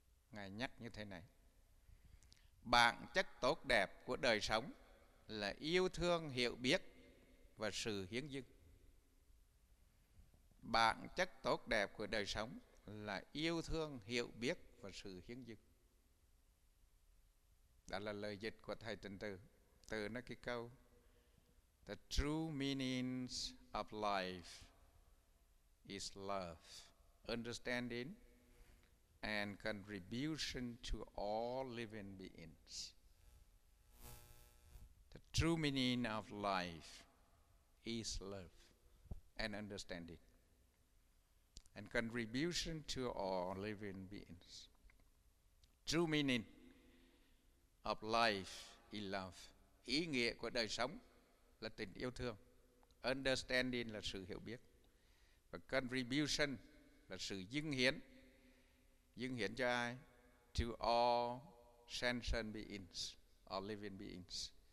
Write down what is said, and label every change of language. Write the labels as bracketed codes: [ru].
[vi] Ngài nhắc như thế này: bản chất tốt đẹp của đời sống là yêu thương, hiểu biết và sự hiến dâng. Bản chất tốt đẹp của đời sống là yêu thương, hiểu biết và sự hiến dâng. Đó là lời dịch của Thầy Tịnh Từ. Từ nó cái câu: [en] the true meaning of life is love, understanding and contribution to all living beings. The true meaning of life is love and understanding and contribution to all living beings. True meaning of life is love. [vi] Ý nghĩa của đời sống là tình yêu thương. Understanding là sự hiểu biết. Và contribution là sự dâng hiến. Dâng hiến cho ai? [en] To all sentient beings, all living beings.